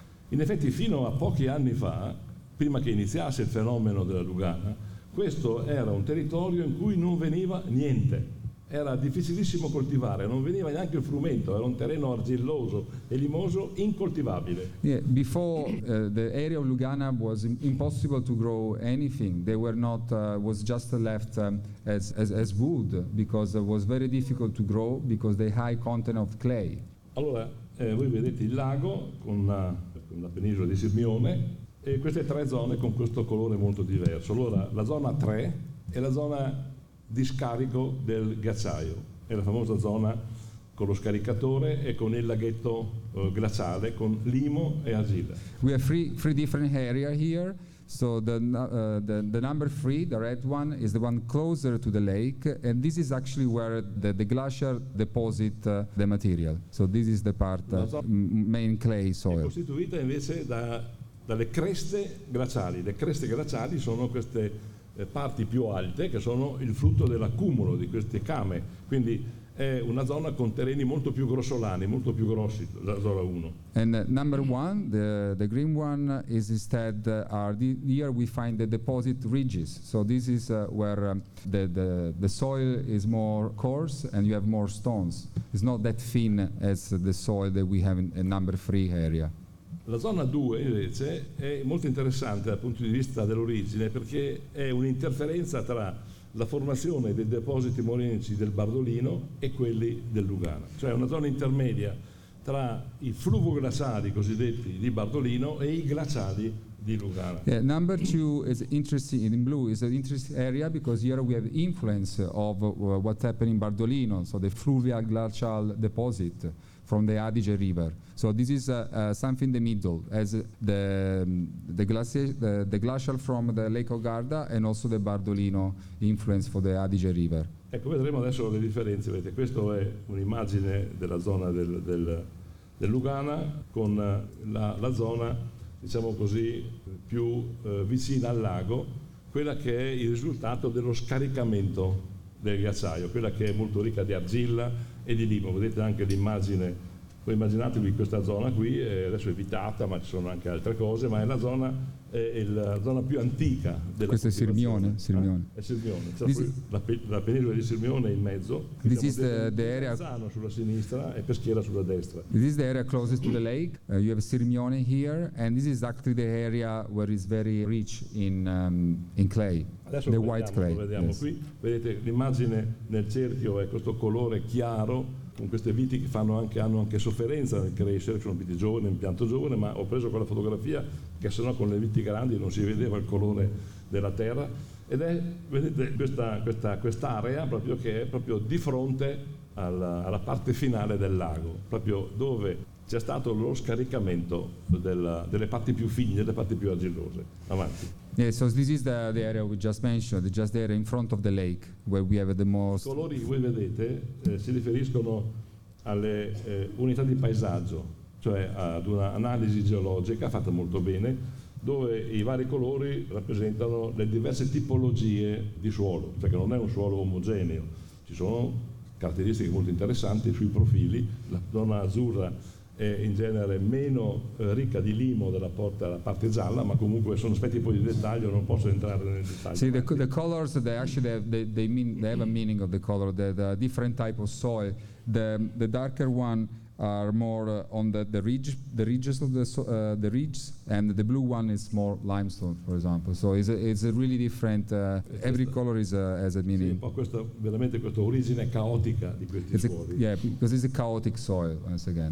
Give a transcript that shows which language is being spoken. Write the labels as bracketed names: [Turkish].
[Italian] In effetti fino a pochi anni fa, prima che iniziasse il fenomeno della Lugana, questo era un territorio in cui non veniva niente, era difficilissimo coltivare, non veniva neanche il frumento, era un terreno argilloso e limoso incoltivabile. [English] Yeah, before the area of Lugana was impossible to grow anything. They were not was just left as wood because it was very difficult to grow because the high content of clay. [Italian] Allora, voi vedete il lago con la penisola di Sirmione e queste tre zone con questo colore molto diverso. Allora, la zona 3 è la zona di scarico del ghiacciaio, è la famosa zona con lo scaricatore e con il laghetto glaciale con limo e argilla. [English] We have three different area here, so the number three, the red one, is the one closer to the lake, and this is actually where the glacier deposit the material. So this is the part main clay soil. [Italian] È costituita invece dalle creste glaciali. Le creste glaciali sono queste parti più alte che sono il frutto dell'accumulo di queste came, quindi è una zona con terreni molto più grossolani, molto più grossi, la zona 1. [English] And number one, the green one, is instead here we find the deposit ridges. So this is where the soil is more coarse and you have more stones. It's not that thin as the soil that we have in number 3 area. [Italian] La zona 2 invece è molto interessante dal punto di vista dell'origine perché è un'interferenza tra la formazione dei depositi morenici del Bardolino e quelli del Lugana. Cioè una zona intermedia tra i fluvoglaciali cosiddetti di Bardolino e i glaciali di Lugana. [English] Yeah, number 2 is interesting in blue, is an interesting area because here we have influence of what happened in Bardolino, so the fluvial glacial deposit from the Adige River. So this is something in the middle, as the glacial from the Lake of Garda and also the Bardolino influence for the Adige River. [Italian] Ecco, vedremo adesso le differenze. Vedete, questa è un'immagine della zona del Lugana con la zona, diciamo così, più vicina al lago, quella che è il risultato dello scaricamento del ghiacciaio, quella che è molto ricca di argilla e di limo. Vedete anche l'immagine. Poi immaginatevi questa zona qui, adesso è evitata, ma ci sono anche altre cose, ma è la zona più antica della. Questo è Sirmione. Sirmione. È Sirmione. La penisola di Sirmione in mezzo. [English] This is the area. [Italian] Sano sulla sinistra e Peschiera sulla destra. [English] This is the area closest to the lake. You have Sirmione here, and this is actually the area where it's very rich in clay. [Italian] Adesso [English] the white clay. [Italian] Lo vediamo, [English] yes. [Italian] Qui. Vedete l'immagine nel cerchio è questo colore chiaro. Con queste viti che hanno anche sofferenza nel crescere, sono viti giovani, impianto giovane, ma ho preso quella fotografia che sennò con le viti grandi non si vedeva il colore della terra. Ed è, vedete, quest'area proprio che è proprio di fronte alla parte finale del lago, proprio dove c'è stato lo scaricamento delle parti più fini, delle parti più argillose. Avanti. [English] Yeah, so this is the area we just mentioned, just there in front of the lake, where we have the most. [Italian] I colori che voi vedete si riferiscono alle unità di paesaggio, cioè ad un'analisi geologica fatta molto bene, dove i vari colori rappresentano le diverse tipologie di suolo, cioè che non è un suolo omogeneo, ci sono caratteristiche molto interessanti sui profili. La zona azzurra è in genere meno ricca di limo della porta, la parte gialla, ma comunque sono aspetti poi di dettaglio, non posso entrare nel dettaglio. [English] See, the colors, they actually they have a meaning of the color, the different type of soil. The darker one are more on the ridges, and the blue one is more limestone, for example. So it's a really different. Every color is has a meaning. [Italian] Sì, un po' questa veramente questa origine caotica di questi suoli. [English] Yeah, because it's a chaotic soil once again.